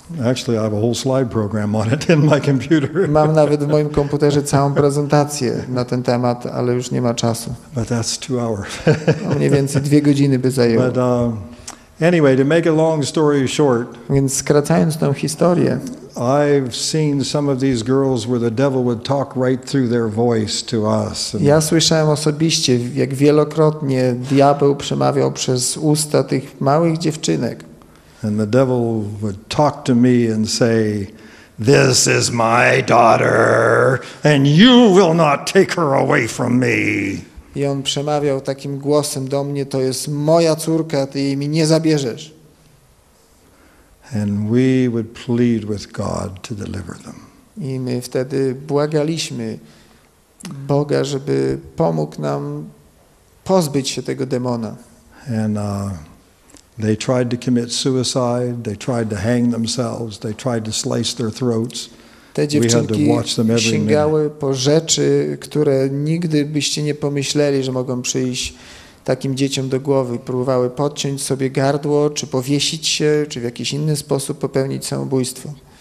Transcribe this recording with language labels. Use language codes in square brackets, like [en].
[en] Actually, I have a whole slide program on it in my computer. [pl] Mam nawet w moim komputerze całą prezentację na ten temat, ale już nie ma czasu. [en] But that's 2 hours. [pl] Mniej więcej 2 godziny by zajęło. [en] But anyway, to make a long story short. [pl] Więc skracając tą historię. [en] I've seen some of these girls where the devil would talk right through their voice to us. [pl] Ja słyszałem osobiście, jak wielokrotnie diabeł przemawiał przez usta tych małych dziewczynek. [en] And the devil would talk to me and say, "This is my daughter, and you will not take her away from me." [pl] I on przemawiał takim głosem do mnie, "To jest moja córka, ty jej mi nie zabierzesz." [en] And we would plead with God to deliver them. [pl] I my wtedy błagaliśmy Boga, żeby pomógł nam pozbyć się tego demona. [en] And they tried to commit suicide, they tried to hang themselves, they tried to slice their throats. [pl] Te dziewczynki sięgały po rzeczy, które nigdy byście nie pomyśleli, że mogą przyjść takim dzieciom do głowy. Próbowały podciąć sobie gardło, czy powiesić się, czy w jakiś inny sposób popełnić samobójstwo.